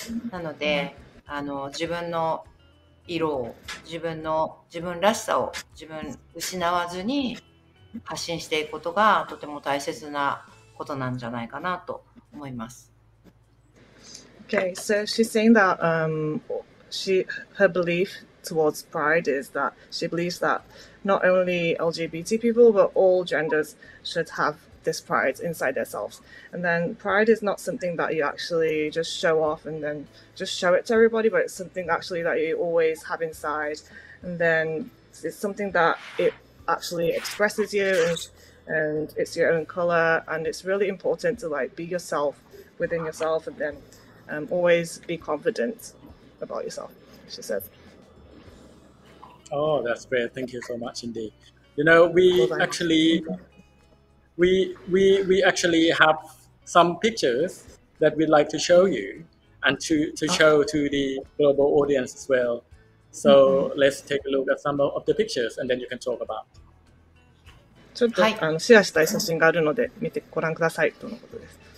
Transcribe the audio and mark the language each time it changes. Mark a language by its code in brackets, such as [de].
[ja] なので、あの、自分の色を、自分らしさを、自分失わずに発信していくことがとても大切なことなんじゃないかなと思います。 [en] Okay, so she's saying that her belief towards pride is that she believes that not only LGBT people but all genders should have this pride inside themselves. And then pride is not something that you actually just show off and then just show it to everybody, but it's something actually that you always have inside. And then it's something that it actually expresses you, and it's your own color, and it's really important to like be yourself within yourself, and then always be confident about yourself, she said. Oh, that's great. Thank you so much indeed. You know, we actually have some pictures that we'd like to show you and to show to the global audience as well. So let's take a look at some of the pictures and then you can talk about. [ja] ちょっと、はい、あのシェアしたい写真があるので見てご覧くださいとのことです。